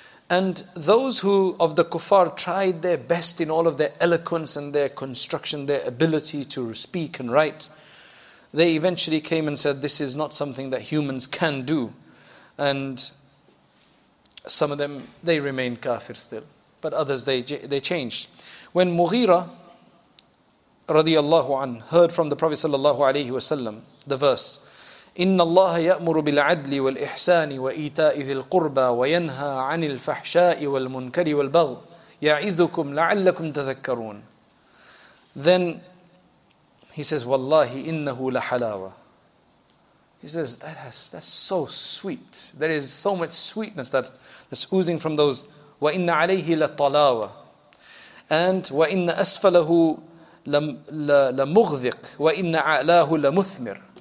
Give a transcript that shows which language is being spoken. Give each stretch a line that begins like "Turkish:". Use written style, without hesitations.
English: And those who of the kuffar tried their best in all of their eloquence and their construction, their ability to speak and write, they eventually came and said, this is not something that humans can do. And some of them, they remained kafir still. But others, they changed. When Mughira radiallahu anh heard from the Prophet sallallahu alayhi wa sallam the verse,
Arabic: إن الله يأمر بالعدل والإحسان وإيتاء ذي القربى وينهى عن الفحشاء والمنكر والبغض يعظكم لعلكم تذكرون.
English: Then he says,
Arabic: والله إنه لحلاوة.
English: He says, that's so sweet. There is so much sweetness that's oozing from those.
Arabic: وإن عليه لطلاوة. And وإن أسفله لمغذق وإن أعلاه لمثمر.